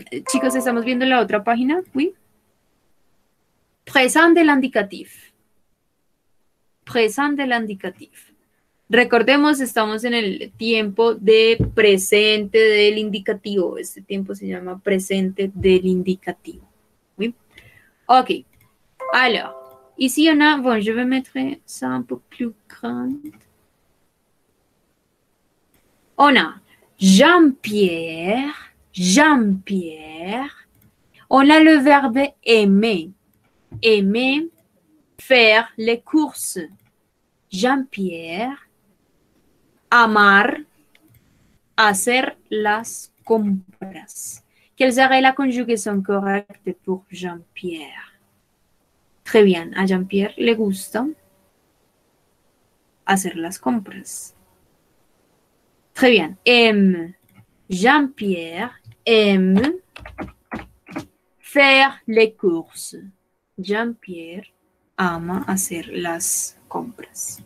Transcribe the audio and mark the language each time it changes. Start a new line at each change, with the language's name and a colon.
Spanish: Chicos, estamos viendo la otra página. Oui. Présent del indicatif. Présent del indicatif. Recordemos, estamos en el tiempo de presente del indicativo. Este tiempo se llama presente del indicativo.
French: Oui. Ok. Alors, ici on a. Bon, je vais mettre ça un peu plus grand. On a. Jean-Pierre, Jean-Pierre. On a le verbe aimer. Aimer, faire les courses.
Spanish: Jean-Pierre, amar, hacer las compras.
French: Quelle serait la conjugaison correcte pour Jean-Pierre? Très bien,
Spanish: a Jean-Pierre le gusta hacer las compras.
French: Très bien. Aime. Jean-Pierre aime faire les courses.
Spanish: Jean-Pierre ama hacer las compras.